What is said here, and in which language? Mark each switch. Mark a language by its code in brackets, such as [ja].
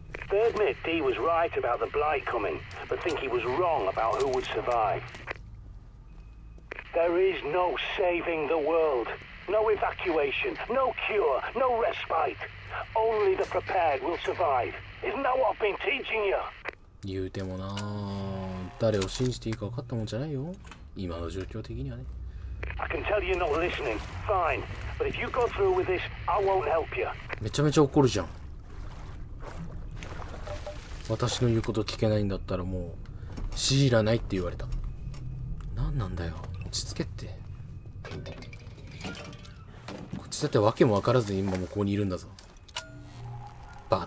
[en] They admit Dee was right about the blight coming, but think he was wrong about who would survive. There is no saving the world. No evacuation, no cure, no respite. Only the prepared will survive. Isn't that what I've been teaching you? [ja] 言うてもな、誰を信じていいか分かったもんじゃないよ今の状況的にはね。 [en] I can tell you're not listening. Fine. But if you go through with this, I won't help you. [ja] めちゃめちゃ怒るじゃん。私の言うこと聞けないんだったらもう知らないって言われた。何なんだよ、落ち着けって。こっちだって訳も分からずに今もここにいるんだぞ、バカ。